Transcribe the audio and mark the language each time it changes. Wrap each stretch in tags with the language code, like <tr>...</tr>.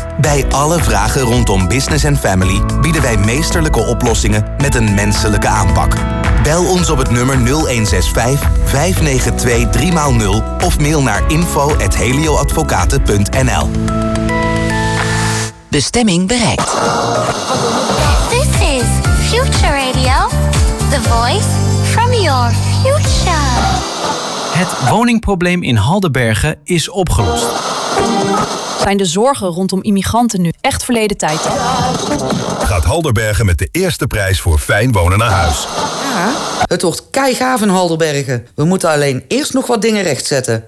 <nl>Bij alle vragen rondom business en family bieden wij meesterlijke oplossingen met een menselijke aanpak. Bel ons op het nummer 0165 592 3x0 of mail naar info@helioadvocaten.nl. Bestemming bereikt.</nl> <en>This is Future Radio, the voice from your future.</en> <nl>Het woningprobleem in Haldenbergen is opgelost. Zijn de zorgen rondom immigranten nu echt verleden tijd? Gaat Haldenbergen met de eerste prijs voor fijn wonen naar huis? Ja, het wordt keigaaf in Haldenbergen. We moeten alleen eerst nog wat dingen rechtzetten.</nl>